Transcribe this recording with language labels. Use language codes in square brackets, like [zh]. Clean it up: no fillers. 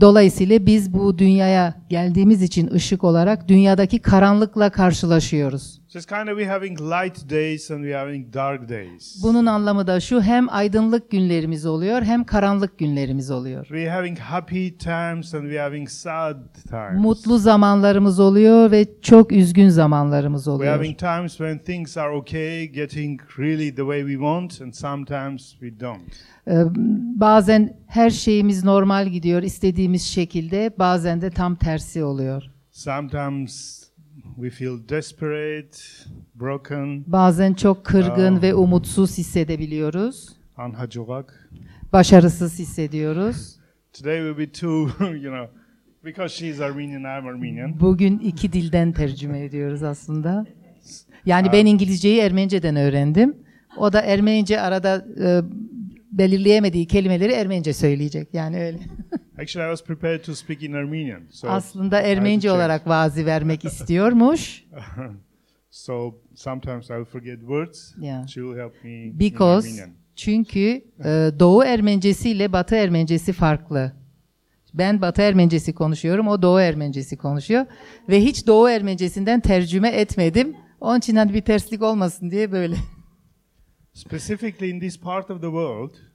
[tr] Dolayısıyla biz bu dünyaya geldiğimiz için ışık olarak dünyadaki karanlıkla karşılaşıyoruz. [en] So it's kind of we having light days and we having dark days. [tr] Bunun anlamı da şu, hem aydınlık günlerimiz oluyor hem karanlık günlerimiz oluyor. [en] We having happy times and we having sad times. [tr] Mutlu zamanlarımız oluyor ve çok üzgün zamanlarımız oluyor. [en] We having times when things are okay, getting really the way we want, and sometimes we don't. [tr] Bazen her şeyimiz normal gidiyor istediğimiz şekilde, bazen de tam tersi oluyor. [en] Sometimes we feel desperate, broken. [tr] Bazen çok kırgın ve umutsuz hissedebiliyoruz. Anhacogak. Başarısız hissediyoruz. [en] Today will be two, you know, because she's Armenian, I'm Armenian. [tr] Bugün iki dilden tercüme ediyoruz aslında. Yani ben İngilizceyi Ermenceden öğrendim. O da Ermenice arada belirleyemediği kelimeleri Ermenice söyleyecek. Yani öyle. [en] Actually, I was prepared to speak in Armenian. [tr] So aslında Ermenice olarak vaazı vermek istiyormuş. [en] So sometimes I'll forget words. Yeah. She will help me because in Armenian. [tr] Çünkü Doğu Ermencesi ile Batı Ermencesi farklı. Ben Batı Ermencesi konuşuyorum, o Doğu Ermencesi konuşuyor. Ve hiç Doğu Ermencesinden tercüme etmedim. Onun için hani bir terslik olmasın diye böyle. [en] Specifically in this part of the world,